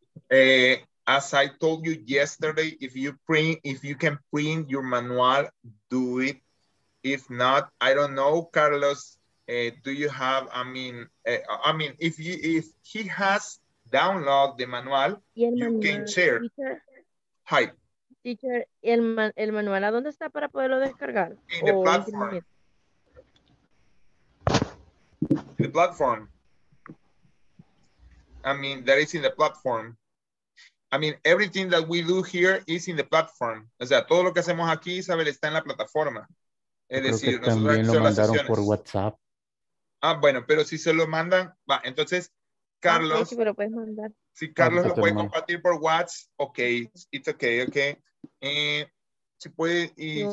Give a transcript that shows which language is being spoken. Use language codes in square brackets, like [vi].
[en] As I told you yesterday, if you can print your manual, do it. If not, I don't know, Carlos. Do you have? If he has downloaded the manual, you can share. Teacher, hi. [es] Teacher, el manual, ¿a dónde está para poderlo descargar? [en] In the platform. The platform. That is in the platform. Everything that we do here is in the platform. [es] O sea, todo lo que hacemos aquí, Isabel, está en la plataforma. Es decir, nosotros también lo mandaron por WhatsApp. Ah, bueno, pero si se lo mandan, va, entonces, Carlos. Okay, sí, pero puedes mandar. Si Carlos lo puede compartir por WhatsApp, [en] ok, it's okay, ok. [es] Si puede, y no.